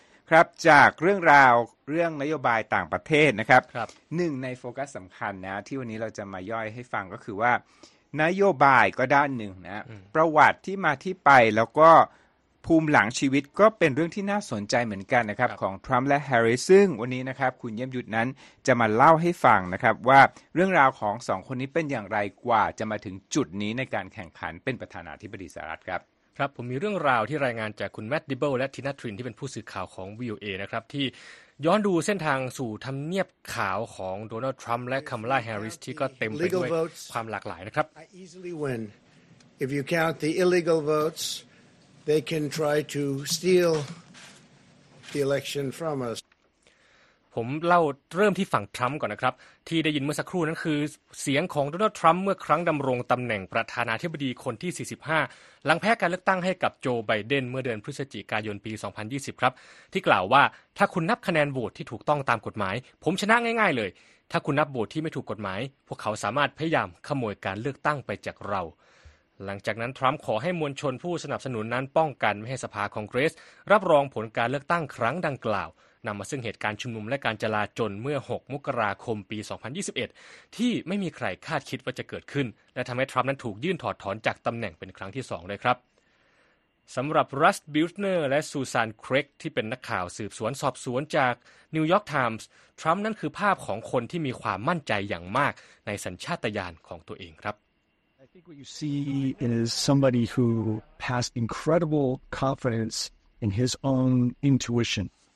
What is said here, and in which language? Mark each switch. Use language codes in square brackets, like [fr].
[th] ครับจากเรื่องราวเรื่องนโยบายต่างประเทศนะครับ1ในโฟกัสสำคัญนะที่วันนี้เราจะมาย่อยให้ฟังก็คือว่านโยบายก็ด้านหนึ่งนะประวัติที่มาที่ไปแล้วก็ภูมิหลังชีวิตก็เป็นเรื่องที่น่าสนใจเหมือนกันนะครับของทรัมป์และแฮร์ริสซึ่งวันนี้นะครับคุณเยี่ยมยุทธนั้นจะมาเล่าให้ฟังนะครับว่าเรื่องราวของ2คนนี้เป็นอย่างไรกว่าจะมาถึงจุดนี้ในการแข่งขันเป็นประธานาธิบดีสหรัฐครับ ครับผมมีเรื่องราวที่รายงานจากคุณแมตต์ดิเบิลและทินาทรินที่เป็นผู้สื่อข่าวของ VOA นะครับที่ย้อนดูเส้นทางสู่ทำเนียบขาวของโดนัลด์ทรัมป์และคามาลาแฮร์ริสที่ก็เต็มไปด้วยความหลากหลายนะครับ [en] I easily win. If you count the illegal votes, they can try to steal the election from us. [th] ผมเล่าเริ่มที่ฝั่งทรัมป์ก่อนนะครับที่ได้ยินเมื่อสักครู่นั้นคือเสียงของโดนัลด์ทรัมป์เมื่อครั้งดำรงตำแหน่งประธานาธิบดีคนที่45หลังแพ้การเลือกตั้งให้กับโจไบเดนเมื่อเดือนพฤศจิกายนปี2020ครับที่กล่าวว่าถ้าคุณนับคะแนนโหวตที่ถูกต้องตามกฎหมายผมชนะง่ายๆเลยถ้าคุณนับโหวตที่ไม่ถูกกฎหมายพวกเขาสามารถพยายามขโมยการเลือกตั้งไปจากเรา หลังจากนั้นทรัมป์ขอให้มวลชนผู้สนับสนุนนั้นป้องกันไม่ให้สภาคองเกรสรับรองผลการเลือกตั้งครั้งดังกล่าวนำมาซึ่งเหตุการณ์ชุมนุมและการจลาจลเมื่อ6มกราคมปี2021ที่ไม่มีใครคาดคิดว่าจะเกิดขึ้นและทำให้ทรัมป์นั้นถูกยื่นถอดถอนจากตำแหน่งเป็นครั้งที่2ด้วยครับสำหรับรัสบิลเนอร์และซูซานครีกที่เป็นนักข่าวสืบสวนสอบสวนจากนิวยอร์กไทมส์ทรัมป์นั้นคือภาพของคนที่มีความมั่นใจอย่างมากในสัญชาตญาณของตัวเองครับ [en] I think what you see is somebody who has incredible confidence in his own intuition